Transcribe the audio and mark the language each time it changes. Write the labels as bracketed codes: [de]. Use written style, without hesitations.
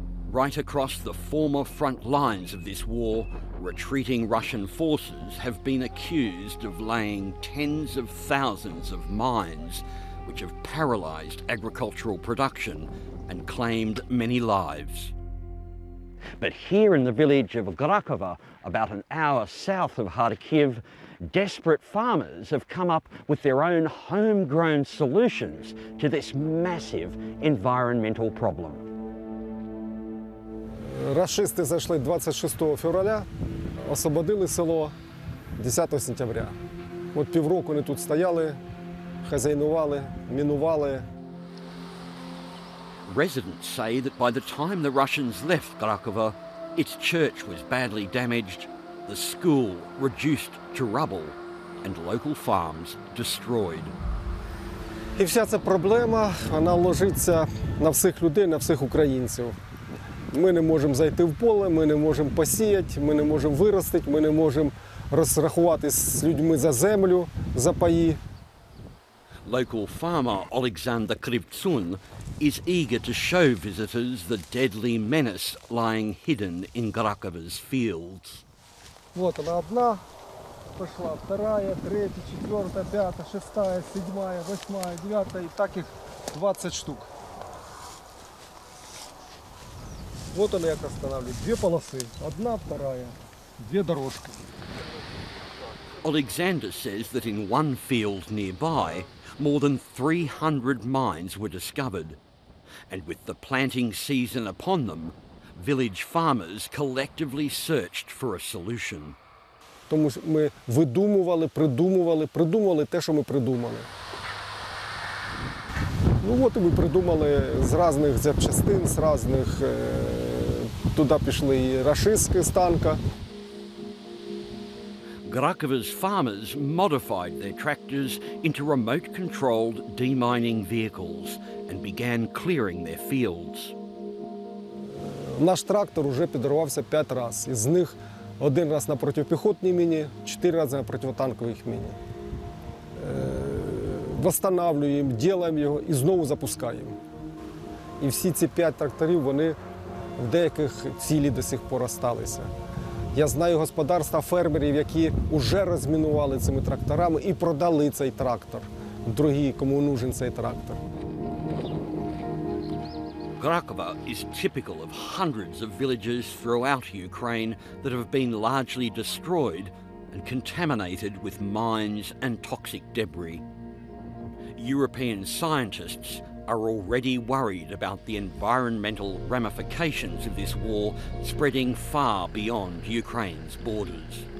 [en] Right across the former front lines of this war, retreating Russian forces have been accused of laying tens of thousands of mines, which have paralyzed agricultural production and claimed many lives. But here in the village of Grakova, about an hour south of Kharkiv, desperate farmers have come up with their own homegrown solutions to this massive environmental problem. [uk] Рашисти зайшли [ru] 26 февраля, освободили село 10 сентября. [uk] От півроку вони тут стояли, хазяйнували, мінували. [en] Residents say that by the time the Russians left Grakova, its church was badly damaged, the school reduced to rubble, and local farms destroyed. [uk] І вся ця проблема, вона ложиться на всіх людей, на всіх українців. Ми не можемо зайти в поле, ми не можемо посіяти, ми не можемо виростити, ми не можемо розрахуватися з людьми за землю, за паї. [en] Local farmer Alexander Krivtsun is eager to show visitors the deadly menace lying hidden in Grakova's fields. [ru] Вот она одна пошла, вторая, третья, четвертая, пятая, шестая, седьмая, восьмая, девятая, и так их 20 штук. Вот она как останавливает. Две полосы, одна, вторая, две дорожки. [en] Alexander says that in one field nearby, more than 300 mines were discovered. And with the planting season upon them, village farmers collectively searched for a solution. [uk] Тому що ми видумували, придумували, придумували те, що ми придумали. Ну от і ми придумали з різних запчастин, з різних... Туди пішли і рашистки з танка. [en] Grakova's farmers modified their tractors into remote-controlled demining vehicles and began clearing their fields. [uk] Наш трактор вже підривався 5 раз. Із них один раз на протипіхотній міні, 4 рази на протитанковій міні. Восстанавливаємо, робимо його і знову запускаємо. І всі ці 5 тракторів, вони в деяких цілі до сих пор осталися. Я знаю господарства фермерів, які вже розмінували цими тракторами і продали цей трактор. Другі, кому нужен цей трактор. [en] Grakova is typical of hundreds of villages throughout Ukraine that have been largely destroyed and contaminated with mines and toxic debris. European scientists are already worried about the environmental ramifications of this war spreading far beyond Ukraine's borders.